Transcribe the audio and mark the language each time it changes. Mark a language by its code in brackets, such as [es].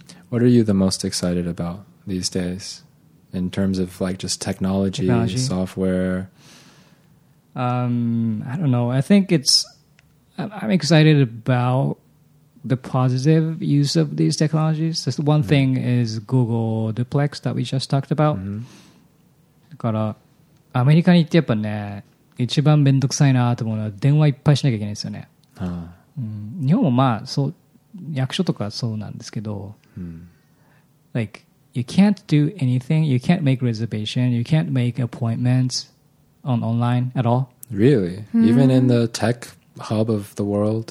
[en] What are you the most excited about these days in terms of like just technology, technology? Software? I don't know. I think it's I'm excited about. The positive use of these technologies. Just one thing is Google Duplex that we just talked about. [ja] だからアメリカに行ってやっぱね、一番めんどくさいなと思うのは電話いっぱいしなきゃいけないですよね。日本もまあそう役所とかそうなんですけど、 [en] like you can't do anything, you can't make reservation, you can't make appointments on online at all. Really? Even in the tech hub of the world,